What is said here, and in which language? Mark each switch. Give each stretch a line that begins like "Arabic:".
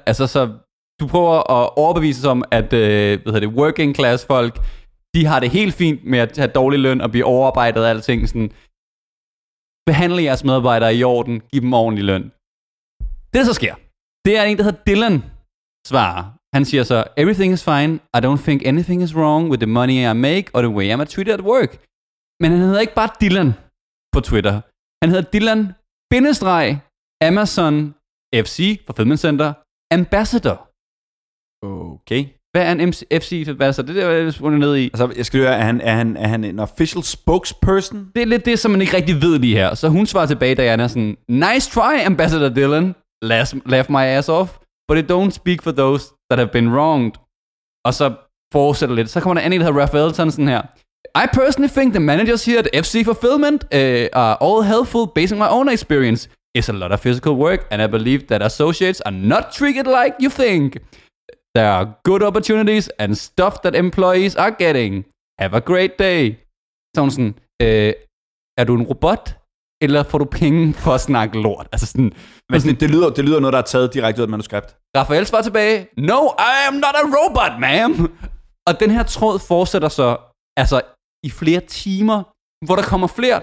Danish: Altså, så du prøver at overbevise som, at working class folk, de har det helt fint med at have dårlig løn og blive overarbejdet og alting, sådan. Behandle jeres medarbejdere i orden, giv dem ordentlig løn. Det, der så sker, det er en, der hedder Dylan, svarer. Han siger så,
English: everything is fine, I don't think anything is wrong with the money I make or the way I'm treated at work.
Danish: Men han hedder ikke bare Dylan på Twitter. Han hedder Dylan-Amazon-FC, Fulfillment Center, Ambassador. Okay. Hvad er en FC Ambassador? Det er der, jeg spurgte ned i. Altså, jeg skal høre, er han en
English: official spokesperson?
Danish: Det er lidt det, som man ikke rigtig ved lige her. Så hun svarer tilbage, da Diana, sådan,
English: nice try,
Danish: Ambassador Dylan.
English: Laugh my ass off. But it don't speak for those that have been wronged.
Danish: Og så fortsætter lidt. Så kommer der en, der hedder Raphael, sådan her.
English: I personally think the managers here at FC Fulfillment are all helpful based on my own experience. It's a lot of physical work, and I believe that associates are not treated like you think. There are good opportunities and stuff that employees are getting. Have a great day.
Danish: Så hun sådan, er du en robot? Eller får du penge for at snakke lort? Altså sådan, det lyder noget, der er taget direkte ud af et manuskript. Raphael svarer tilbage,
English: no, I am not a robot, ma'am.
Danish: Og den her tråd fortsætter så, altså i flere timer, hvor der kommer flere.